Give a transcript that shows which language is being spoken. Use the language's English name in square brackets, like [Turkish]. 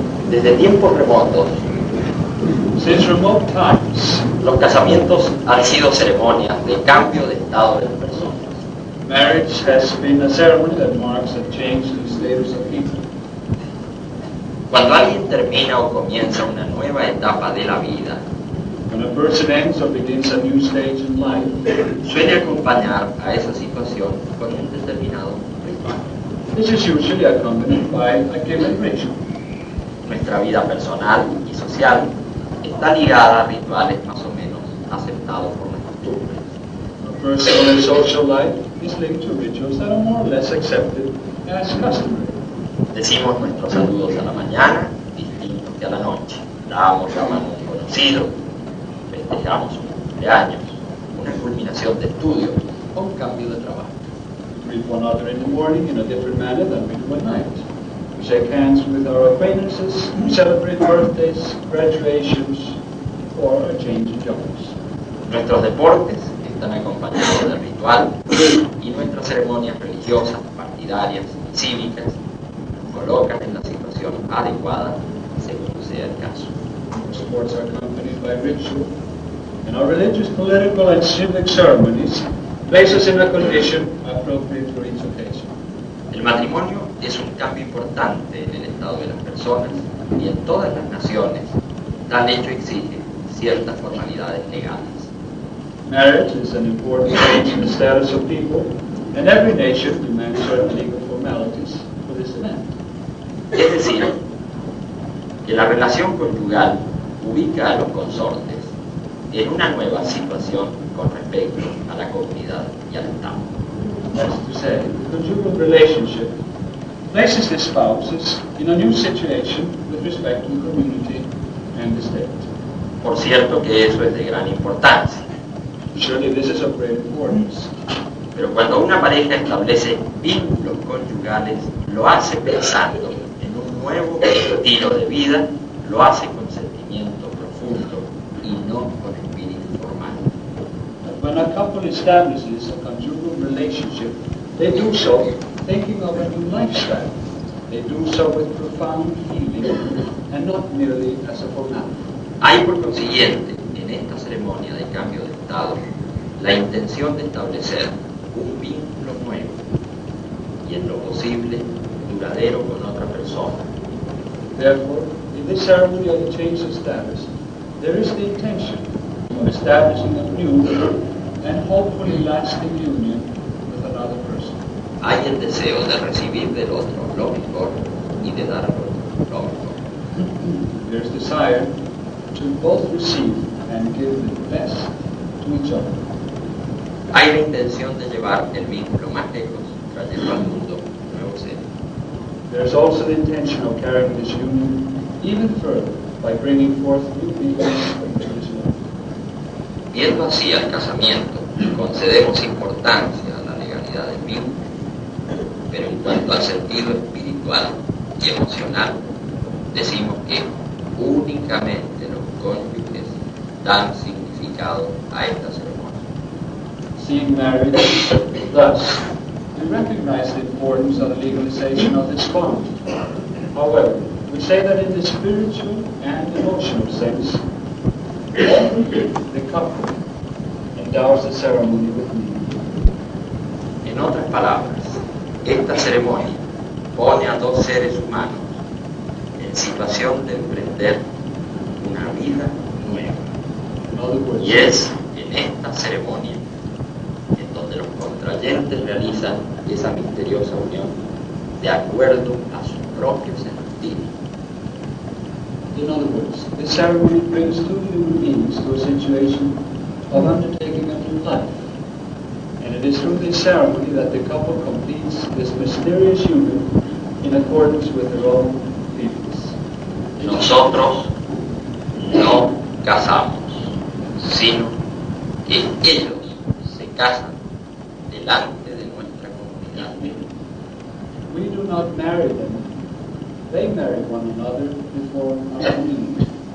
[Spanish] Desde tiempos remotos, [English] since remote times, [Spanish] los casamientos han sido ceremonias de cambio de estado de las personas. [English] Marriage has been a ceremony that marks a change in the status of people. [Spanish] Cuando alguien termina o comienza una nueva etapa de la vida, [English] when a person ends or begins a new stage in life, [Spanish] suele acompañar a esa situación con un determinado ritual. [English] This is usually accompanied by a given ritual. [Spanish] Nuestra vida personal y social está ligada a rituales más o menos aceptados por la costumbre. [English] Our personal and social life is linked to rituals that are more or less accepted as customary. [Spanish] Decimos nuestros saludos a la mañana, distintos que a la noche. Damos la mano a un conocido, festejamos un cumpleaños, una culminación de estudio o un cambio de trabajo. [English] We greet one another in the morning in a different manner than we do at night. Shake hands with our acquaintances, celebrate birthdays, graduations, or a change of jobs. [Spanish] Nuestros deportes están acompañados del ritual y nuestras ceremonias religiosas, partidarias, cívicas, nos colocan en la situación adecuada según sea el caso. [English] Our sports are accompanied by ritual, and our religious, political, and civic ceremonies place us in a condition appropriate for each occasion. [Spanish] El matrimonio es un cambio importante en el estado de las personas y en todas las naciones, tal hecho exige ciertas formalidades legales. [English] Marriage is an important change in the status of people, and every nation demands certain legal formalities for this event. [Spanish] Es decir, que la relación conyugal ubica a los consortes en una nueva situación con respecto a la comunidad y al Estado. [English] That's to say, the conjugal relationship places the spouses in a new situation with respect to the community and the state. [Spanish] Por cierto que eso es de gran importancia. [English] Surely this is of great importance. [Spanish] Pero cuando una pareja establece vínculos conyugales, lo hace pensando en un nuevo estilo de vida, lo hace con sentimiento profundo y no con espíritu formal. [English] But when a couple establishes a conjugal relationship, they do so thinking of a new lifestyle. They do so with profound feeling and not merely as a formality. [Spanish] Hay por consiguiente en esta ceremonia de cambio de estado la intención de establecer un vínculo nuevo y en lo posible duradero con otra persona. [English] Therefore, in this ceremony of the change of status, there is the intention of establishing a new and hopefully lasting union with another person. [Spanish] Hay el deseo de recibir del otro lo mejor y de darlo lo mejor. [English] There is desire to both receive and give the best to each other. [Spanish] Hay la intención de llevar el vínculo más lejos, trayendo al mundo nuevo ser. [English] There is also the intention of carrying this union even further by bringing forth new beings into this world. [Spanish] Viendo así al casamiento, concedemos importancia a la legalidad del vínculo, pero en cuanto al sentido espiritual y emocional, decimos que únicamente los cónyuges dan significado a esta ceremonia. [English] Seeing marriage, thus, we recognize the importance of the legalization of this bond. However, we say that in the spiritual and emotional sense, only the couple endows the ceremony with meaning. [Spanish] En otras palabras, esta ceremonia pone a dos seres humanos en situación de emprender una vida nueva. Y es en esta ceremonia en donde los contrayentes realizan esa misteriosa unión de acuerdo a su propio sentir. [English] In other words, the ceremony brings two human beings to a situation of undertaking a new life. And it is through this ceremony that the couple completes this mysterious union in accordance with their own feelings. [Spanish] Nosotros no casamos, sino que ellos se casan delante de nuestra comunidad. [English] We do not marry them. They marry one another before our community.